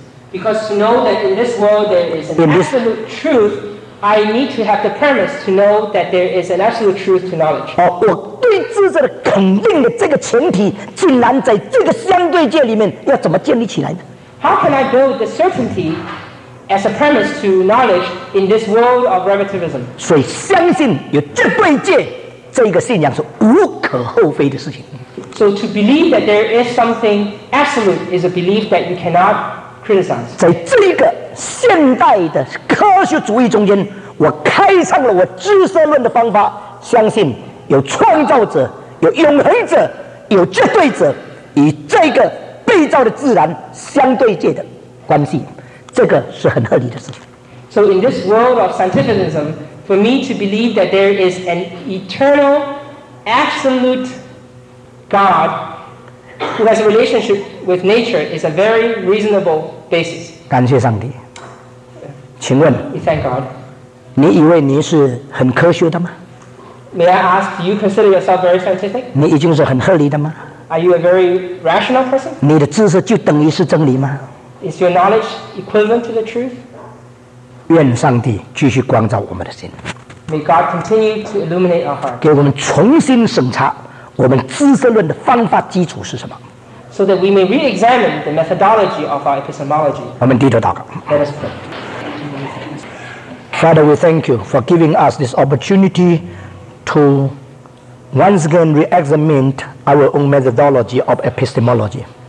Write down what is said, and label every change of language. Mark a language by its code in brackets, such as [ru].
[en] Because to know that in this world there is an absolute truth, I need to have the premise to know that there is an absolute truth to knowledge. [zh] 而我对知识的肯定的这个前提，竟然在这个相对界里面要怎么建立起来呢 [en] ？How can I build the certainty as a premise to knowledge in this world of relativism? [zh] 所以相信有绝对界。这个信仰是无可厚非的事情。 [en] So to believe that there is something absolute is a belief that you cannot criticize. [zh] 在这个现代的科学主义中间，我开创了我知识论的方法，相信有创造者、有永恒者、有绝对者，与这个被造的自然相对界的关系，这个是很合理的事。 [en] So in this world of scientificism, for me to believe that there is an eternal, absolute God who has a relationship with nature is a very reasonable basis. [zh] 感谢上帝。请问 [en] ，We thank God. [zh] 你以为你是很科学的吗 [en] ？May I ask, do you consider yourself very scientific? [zh] 你已经是很合理的吗 [en] ？Are you a very rational person? [zh] 你的知识就等于是真理吗 [en] ？Is your knowledge equivalent to the truth? [zh] 愿上帝继续光照我们的心 [en] May God continue to illuminate our hearts. [zh] 给我们重新审查我们知识论的方法基础是什么 [en] So that we may re-examine the methodology of our epistemology. [zh] 我们低头祷告 [en] Let us pray. Father, we thank you for giving us this opportunity to once again re-examine our own methodology of epistemology.